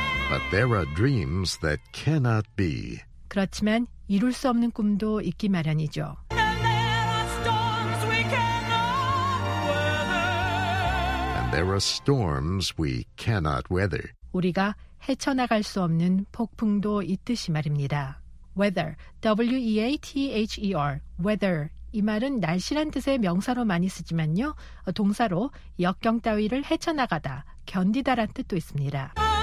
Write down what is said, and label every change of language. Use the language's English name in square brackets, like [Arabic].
[English] But there are dreams that cannot be. [Korean] 그렇지만 이룰 수 없는 꿈도 있기 마련이죠. [English] And there are storms we cannot weather. And there are storms we cannot weather. [Korean] 우리가 헤쳐나갈 수 없는 폭풍도 있듯이 말입니다. [English] Weather, W-E-A-T-H-E-R, weather. [Korean] 이 말은 날씨란 뜻의 명사로 많이 쓰지만요. 동사로 역경 따위를 헤쳐나가다, 견디다란 뜻도 있습니다.